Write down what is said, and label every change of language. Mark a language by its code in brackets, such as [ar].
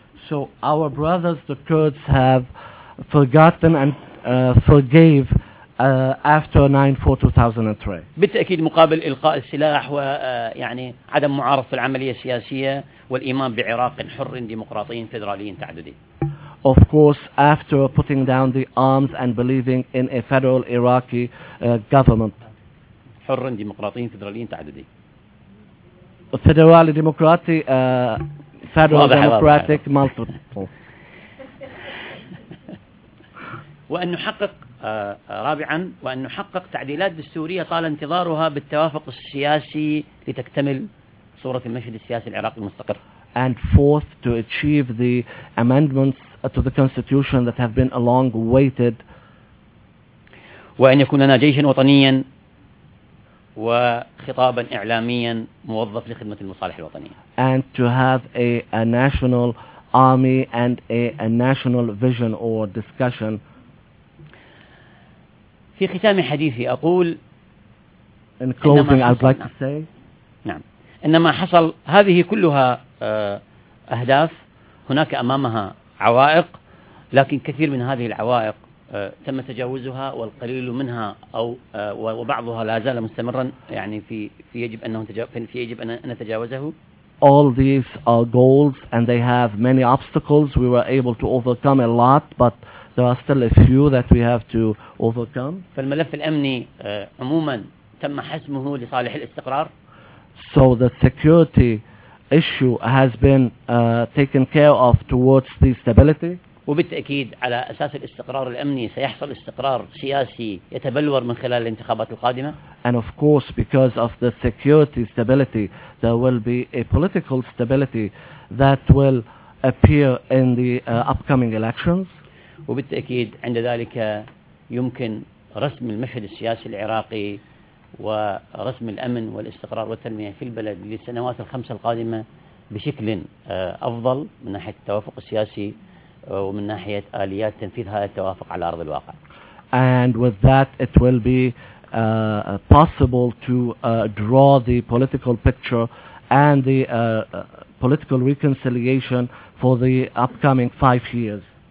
[en] So our brothers the Kurds have forgotten and forgave after 94-2003. [ar] بالتأكيد مقابل إلقاء السلاح ويعني عدم معارضة العملية السياسية والإيمان بعراق حر ديمقراطي فيدرالي تعددي. [en] Of course, after putting down the arms and believing in a federal Iraqi government. [ar] حر ديمقراطي فيدرالي تعددي. [en] Federal democratic federal democratic multiple. [ar] وأن نحقق رابعاً وأن نحقق تعديلات دستورية طال انتظارها بالتوافق السياسي لتكتمل صورة المشهد السياسي العراقي المستقر. [en] And fourth, to achieve the amendments to the constitution that have been long awaited. [ar] وأن يكون لنا جيشاً وطنياً وخطاباً إعلامياً موظف لخدمة المصالح الوطنية. [en] And to have a national army and a national vision or discussion. [ar] في ختام حديثي أقول [en] In closing, I'd like to say [ar] نعم إنما حصل هذه كلها أهداف هناك أمامها عوائق لكن كثير من هذه العوائق تم تجاوزها والقليل منها أو وبعضها لا زال مستمرا يعني في يجب أنه في يجب أن نتجاوزه. [en] All these are goals and they have many obstacles. We were able to overcome a lot but there are still a few that we have to overcome. [ar] فالملف الأمني عموما تم حسمه لصالح الاستقرار. [en] So the security issue has been taken care of towards the stability. [ar] وبالتأكيد على أساس الاستقرار الأمني سيحصل استقرار سياسي يتبلور من خلال الانتخابات القادمة. [en] And of course because of the security stability there will be a political stability that will appear in the upcoming elections. [ar] وبالتأكيد عند ذلك يمكن رسم المشهد السياسي العراقي ورسم الأمن والاستقرار والتنمية في البلد للسنوات الخمس القادمة بشكل أفضل من ناحية التوافق السياسي ومن ناحية آليات تنفيذ هذا التوافق على أرض الواقع. [en] And with that it will be possible to draw the political picture and the political reconciliation for the upcoming five years.